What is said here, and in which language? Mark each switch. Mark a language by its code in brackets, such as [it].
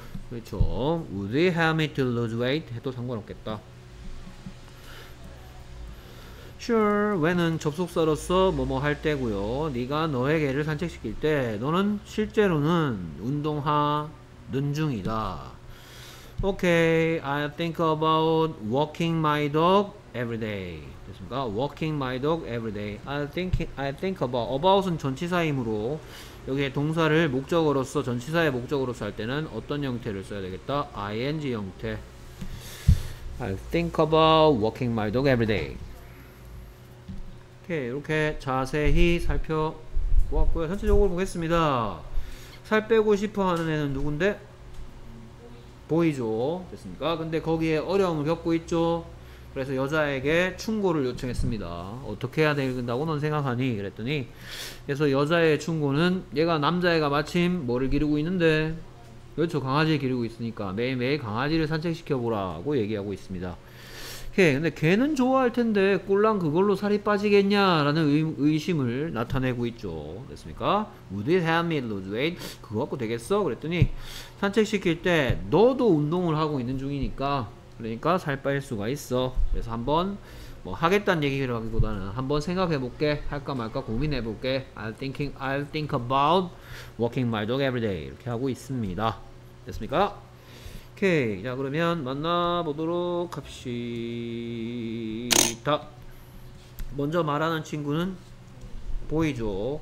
[ko] 그렇죠. [en] Would it help me to lose weight [ko] 해도 상관없겠다. Sure, when은 접속사로서 뭐뭐 할 때고요. 네가 너에게를 산책시킬 때 너는 실제로는 운동하는 중이다. [en] Okay, I think about walking my dog every day. [ko] 됐습니까? [en] Walking my dog every day. I think about [ko] 은 전치사이므로 여기에 동사를 목적으로서 전치사의 목적으로서 할 때는 어떤 형태를 써야 되겠다? ing 형태. [en] I think about walking my dog every day. [ko] 이렇게 자세히 살펴보았고요. 전체적으로 보겠습니다. 살 빼고 싶어하는 애는 누군데? 보이죠. 됐습니까? 근데 거기에 어려움을 겪고 있죠. 그래서 여자에게 충고를 요청했습니다. 어떻게 해야 된다고 넌 생각하니? 그랬더니 그래서 여자의 충고는 얘가 남자애가 마침 뭐를 기르고 있는데 그렇죠. 강아지를 기르고 있으니까 매일매일 강아지를 산책시켜보라고 얘기하고 있습니다. 근데 걔는 좋아할 텐데 꼴랑 그걸로 살이 빠지겠냐 라는 의심을 나타내고 있죠. 됐습니까? [en] Would it help me lose weight? [ko] 그거 갖고 되겠어? 그랬더니 산책시킬 때 너도 운동을 하고 있는 중이니까 그러니까 살 빠질 수가 있어. 그래서 한번 뭐 하겠다는 얘기를 하기보다는 한번 생각해볼게. 할까 말까 고민해볼게. [en] I'll think about walking my dog every day. [ko] 이렇게 하고 있습니다. 됐습니까? 오케이. 자, 그러면 만나보도록 합시다. 먼저 말하는 친구는 보이죠.